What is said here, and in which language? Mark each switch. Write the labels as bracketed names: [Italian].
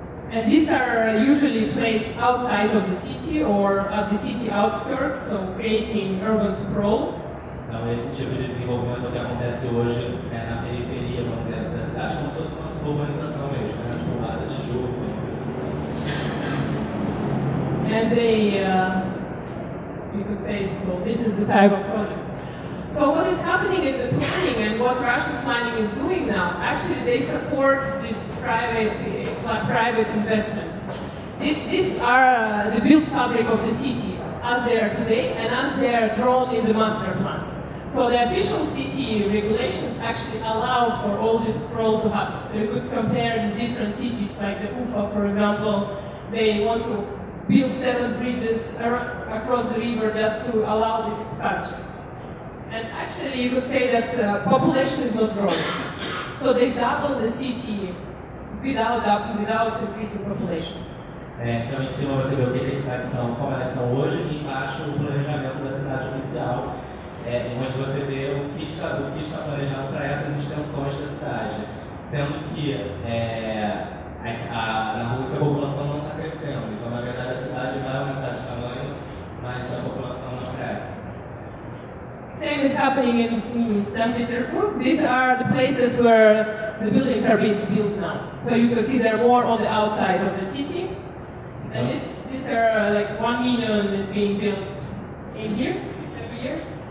[English] And these are usually placed outside of the city or at the city outskirts, so creating urban sprawl. [Portuguese] Então, esse tipo de desenvolvimento que acontece hoje é na periferia, vamos dizer, da cidade, como se fosse uma suburbanização mesmo, né? Tipo, lá, de Tijuco. [English] And they, you could say, well, this is the type of project. So what is happening in the planning and what Russian planning is doing now, actually they support these private investments. These are the built fabric of the city as they are today and as they are drawn in the master plans. So the official city regulations actually allow for all this sprawl to happen. So you could compare these different cities, like the Ufa, for example, they want to build 7 bridges across the river just to allow these expansions. And actually, you could say that population is not growing. So they double the city without increasing population. [Portuguese] Então, em cima você vê o que as cidades são, como elas são hoje, e embaixo o planejamento da cidade oficial, onde você vê o que está planejado para essas extensões da cidade. Sendo que na rua a população não está crescendo. Então, na verdade, a cidade vai aumentar de tamanho, mas a população não cresce. [English] Same is happening in St. Petersburg. These are the places where the buildings are being built now. So you can see they're more on the outside of the city. And these are like 1 million is being built in here every year.